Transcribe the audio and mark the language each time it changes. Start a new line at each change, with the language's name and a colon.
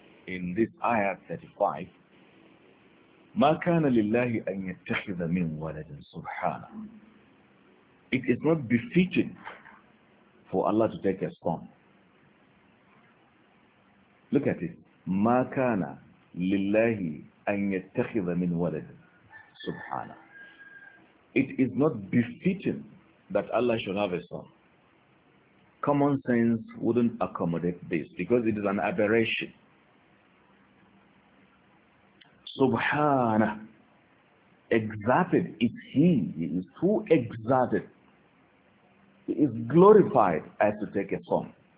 English: in this ayah 35,
Arabic: ما كان لله أن يتخذ من ولد سبحانه.
English: It is not befitting for Allah to take a son. Look at it.
Arabic: ما كان لله أن يتخذ من ولد سبحانه.
English: It is not befitting that Allah should have a son. Common sense wouldn't accommodate this because it is an aberration. Subhana, exalted is He, He is too exalted, He is glorified as to take a son.